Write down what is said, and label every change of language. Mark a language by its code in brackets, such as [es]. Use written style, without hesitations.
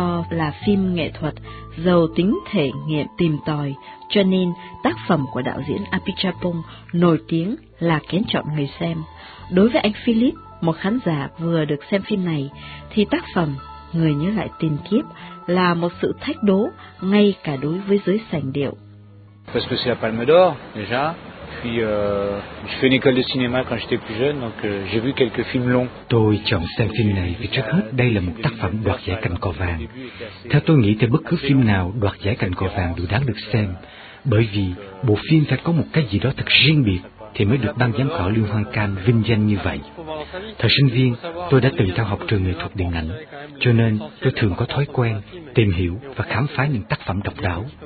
[vi] là phim nghệ thuật giàu tính thể nghiệm tìm tòi, cho nên tác phẩm của đạo diễn Apichatpong nổi tiếng là kén chọn người xem. Đối với anh Philip, một khán giả vừa được xem phim này, thì tác phẩm Người nhớ lại tiền kiếp là một sự thách đố ngay cả đối với giới sành điệu. [fr] Parce que c'est la Palme d'Or déjà. Puis je fais une école de cinéma quand j'étais plus jeune, donc j'ai vu quelques films longs. [vi] Tôi chọn xem phim này vì trước hết đây là một tác phẩm đoạt giải Cành Cò Vàng. Theo tôi nghĩ thì bất cứ phim nào đoạt giải Cành Cò Vàng đều đáng được xem, bởi vì bộ phim phải có một cái gì đó thật riêng biệt thì mới được ban giám khảo Liên hoan Cannes vinh danh như vậy. Thời sinh viên, tôi đã từng theo học trường nghệ thuật điện ảnh, cho nên tôi thường có thói quen tìm hiểu và khám phá những tác phẩm độc đáo.